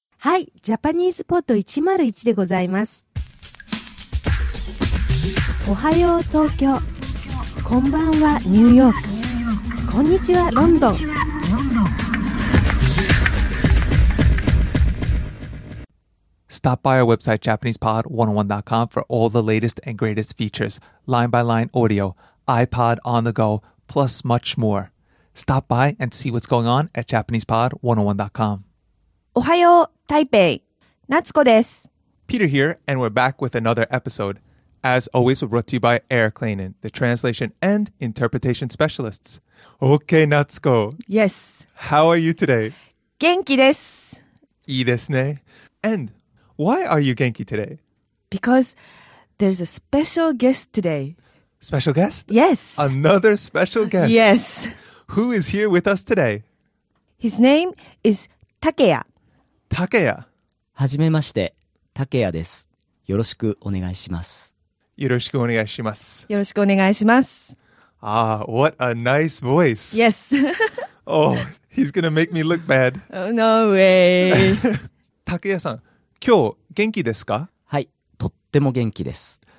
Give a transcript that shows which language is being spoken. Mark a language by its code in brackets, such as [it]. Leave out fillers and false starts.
[ja] はい、ジャパニーズポッド101でございます。おはよう東京、こんばんはニューヨーク、こんにちはロンドン。 [en] Stop by our website JapanesePod101.com for all the latest and greatest features, line-by-line audio, iPod on the go, plus much more. Stop by and see what's going on at JapanesePod101.com. [ja] おはよう、台北。夏子です。 [en] Peter here, and we're back with another episode. As always, we're brought to you by Eric Lainen, the translation and interpretation specialists. Okay, Natsuko. Yes. How are you today? [ja] 元気です。いいですね。 [en] And... Why are you genki today? Because there's a special guest today. Special guest? Yes. Another special guest. Yes. Who is here with us today? His name is Takeya. Takeya. [ja] はじめまして、Takeya です。よろしくお願いします。よろしくお願いします。よろしくお願いします。 [en] Ah, what a nice voice. Yes. Oh, he's gonna make me look bad. Oh, no way. [ja] Takeya-san. 今日元気ですか？はい、とっても元気です。